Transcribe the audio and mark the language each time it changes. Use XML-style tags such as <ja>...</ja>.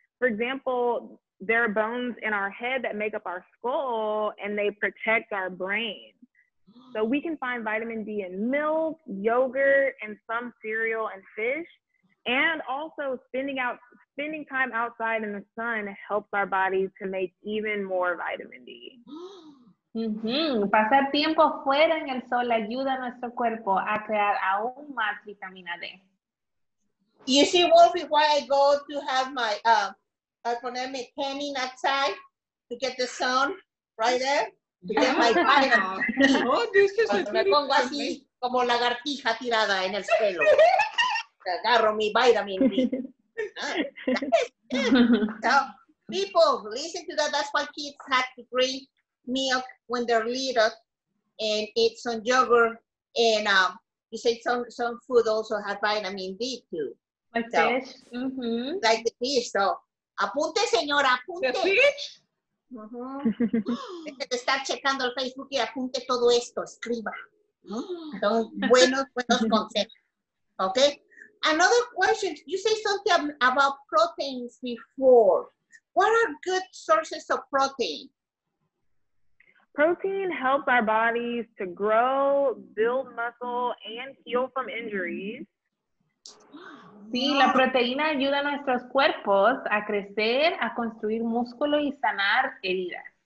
<en>For example, there are bones in our head that make up our skull and they protect our brain. So we can find vitamin D in milk, yogurt, and some cereal and fish. And also spending time outside in the sun helps our bodies to make even more vitamin D. Mm-hmm.</en> <es>Pasar tiempo fuera en el sol ayuda a nuestro cuerpo a crear aún más vitamina D.</es> <en>You see, Wolfie, why I go to have my iconic tanning outside to get the sun right there to get my vitamin D. Oh, this is</en> <es>me pongo así como lagartija tirada en el suelo. Agarro mi</es> <en>vitamin D. So, people, listen to that. That's why kids have to drink milk when they're little and eat some yogurt. And you said some food also has vitamin D too. Like fish. Like the fish. So,</en> <es>apunte, señora, apunte.</es> <en>The fish?</en> <es>Deje de estar checando el Facebook y apunte todo esto, escriba. Son buenos, buenos consejos.</es> <en>Okay. Another question. You say something about proteins before. What are good sources of protein? Protein helps our bodies to grow, build muscle, and heal from injuries.</en> <es>Sí, la proteína ayuda a nuestros cuerpos a crecer, a construir músculo y sanar heridas.</es>